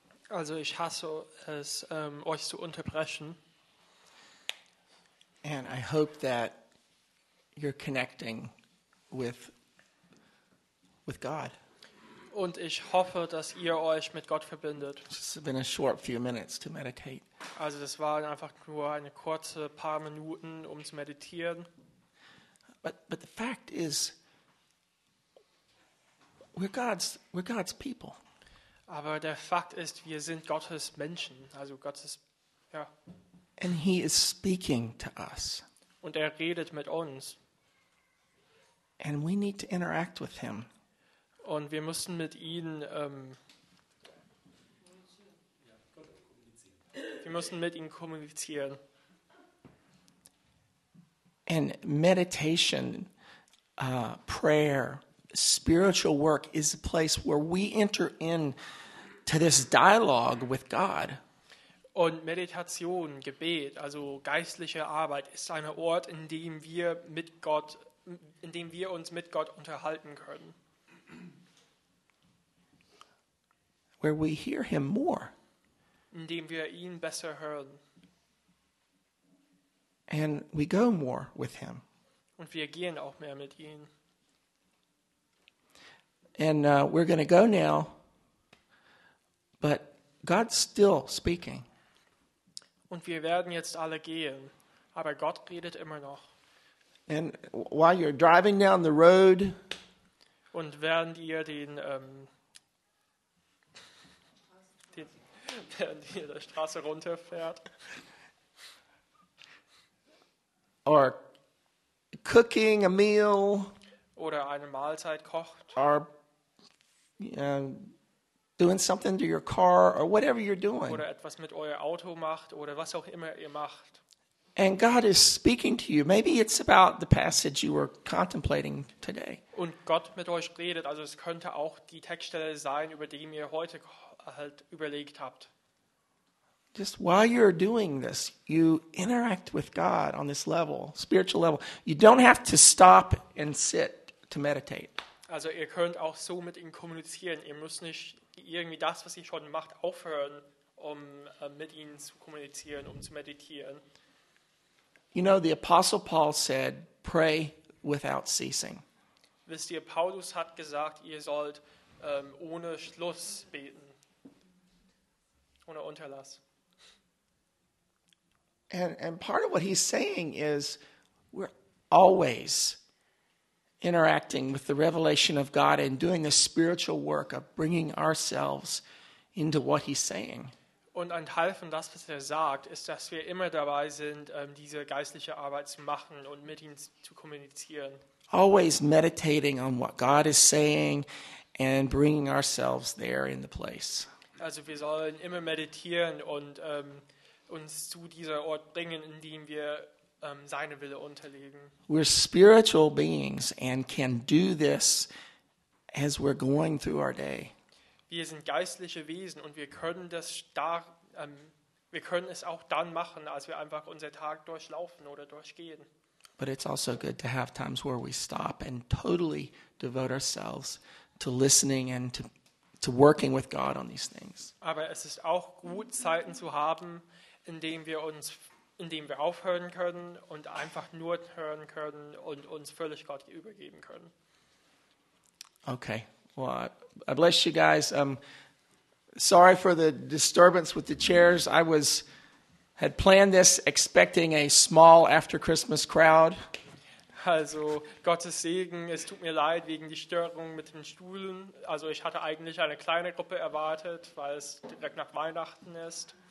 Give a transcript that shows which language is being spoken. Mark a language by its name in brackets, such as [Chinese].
[German] Also ich hasse es, euch zu unterbrechen. [English] And I hope that you're connecting with with God. [German] Und ich hoffe, dass ihr euch mit Gott verbindet. [English] It's been a short few minutes to meditate. [German] Also das waren einfach nur eine kurze paar Minuten, um zu meditieren. [English] But the fact is, we're God's people. [German] Aber der Fakt ist, wir sind Gottes Menschen, also Gottes, ja. [English] And he is speaking to us. [German] Und er redet mit uns. [English] And we need to interact with him. [German] Und wir müssen mit ihnen kommunizieren. [English] And meditation, prayer, spiritual work is a place where we enter in to this dialogue with God. [German] Und Meditation, Gebet, also geistliche Arbeit, ist ein Ort, in dem wir uns mit Gott unterhalten können. [English] Where we hear him more. [German] Indem wir ihn besser hören. [English] And we go more with him. [German] Und wir gehen auch mehr mit ihm. [English] And we're going to go now, but God's still speaking. [German] Und wir werden jetzt alle gehen, aber Gott redet immer noch. [English] And while you're driving down the road, [German] und während ihr die Straße runterfährt, [English] or cooking a meal, [German] oder eine Mahlzeit kocht, [English] or doing something to your car or whatever you're doing. [German] Oder etwas mit euer Auto macht oder was auch immer ihr macht. [English] And God is speaking to you. Maybe it's about the passage you were contemplating today. [German] Und Gott mit euch redet, also es könnte auch die Textstelle sein, über die ihr heute halt überlegt habt. [English] Just while you're doing this, you interact with God on this level, spiritual level. You don't have to stop and sit to meditate. [German] Also ihr könnt auch so mit ihm kommunizieren. Ihr müsst nicht irgendwie das, was ihr schon macht, aufhören, um mit ihm zu kommunizieren, um zu meditieren. You know, the Apostle Paul said, pray without ceasing. Wisst ihr, Paulus hat gesagt, ihr sollt ohne Schluss beten. Ohne Unterlass. [English] And part of what he's saying is, we're always interacting with the revelation of God and doing the spiritual work of bringing ourselves into what he's saying. [German] Und ein Teil von das, was er sagt, ist, dass wir immer dabei sind, diese geistliche Arbeit zu machen und mit ihm zu kommunizieren. [English] Always meditating on what God is saying and bringing ourselves there in the place. [German] Also wir sollen immer meditieren und uns zu dieser Ort bringen, in dem wir seine Wille unterlegen. [English] We're spiritual beings and can do this as we're going through our day. [German] Wir sind geistliche Wesen und wir können das wir können es auch dann machen, als wir einfach unser Tag durchlaufen oder durchgehen. [English] But it's also good to have times where we stop and totally devote ourselves to listening and to working with God on these things. [German] Aber es ist auch gut, Zeiten zu haben, in denen wir aufhören können und einfach nur hören können und uns völlig Gott übergeben können. [English] Okay. Well, I bless you guys. Sorry for the disturbance with the chairs. I had planned this expecting a small after Christmas crowd. [German] Also, Gottes Segen, es tut mir leid wegen die Störung mit den Stühlen. Also, ich hatte eigentlich eine kleine Gruppe erwartet, weil es direkt nach Weihnachten ist.